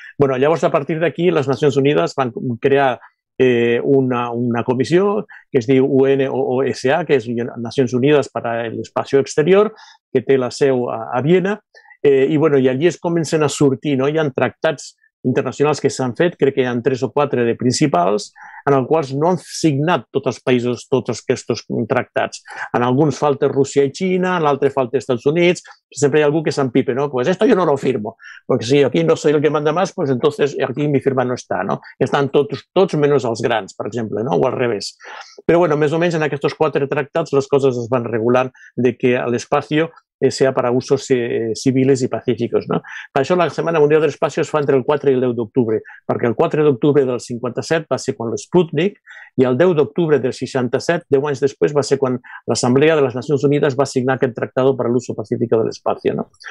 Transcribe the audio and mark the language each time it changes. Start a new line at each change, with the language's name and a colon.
Catalan: Bueno, llavors, a partir d'aquí, les Nacions Unides van crear una comissió que es diu UNOSA, que és Nacions Unides per a l'Espai Exterior, que té la seu a Viena, i, bueno, i allí es comencen a sortir, no? Hi ha tractats internacionals que s'han fet, crec que hi ha 3 o 4 de principals, en els quals no han signat tots els països tots aquests tractats. En alguns falta Rússia i Xina, en l'altre falta Estats Units, sempre hi ha algú que s'empipe, no?
Spanish: Pues esto yo no lo firmo, porque si aquí no soy el que manda más, pues entonces aquí mi firma no está, no?
Catalan: Estan tots menys els grans, per exemple, no? O al revés. Però, bueno, més o menys en aquests 4 tractats les coses es van regular de que l'espai
Spanish: sea para usos civiles y pacíficos, ¿no?
Catalan: Per això la Setmana Mundial de l'Espai es fa entre el 4 i el 10 d'octubre, perquè el 4 d'octubre del 57 va ser quan l'Sputnik i el 10 d'octubre del 67, 10 anys després, va ser quan l'Assemblea de les Nacions Unides va signar aquest tractat per a l'ús pacífic de l'espai, ¿no?